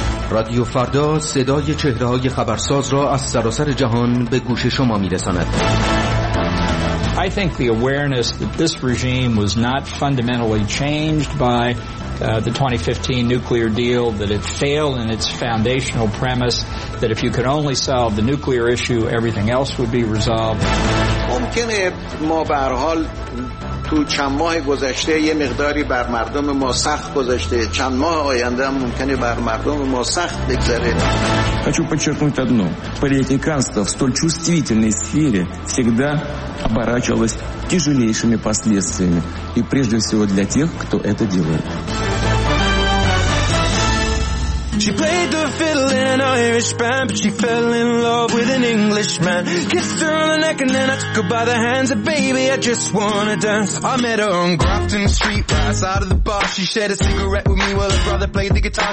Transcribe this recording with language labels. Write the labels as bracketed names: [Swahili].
[Persian] رادیو فردا صدای چهره‌های خبرساز را از سراسر جهان به گوش شما می‌رساند. [English] I think the awareness that this regime was not fundamentally changed by the 2015 nuclear deal, that it failed in its foundational premise, that if you could only solve the nuclear issue, everything else would be resolved. [Persian] ممکنه ما به هر حال تو چند ماه گذشته یه مقداری بر مردم ما سخت گذشته، چند ماه آینده هم ممکنه بر مردم ما سخت بگذره. [Russian] Хочу подчеркнуть одно. Политиканство в столь чувствительной сфере всегда оборачивалось тяжелейшими последствиями, и прежде всего для тех, кто это делает. [English] She played the fiddle in an Irish band, but she fell in love with an Englishman. Kissed her on the neck and then I took her by the hands. A baby, I just wanna dance. I met her on Grafton Street, right outside of the bar. She shared a cigarette with me while her brother played the guitar.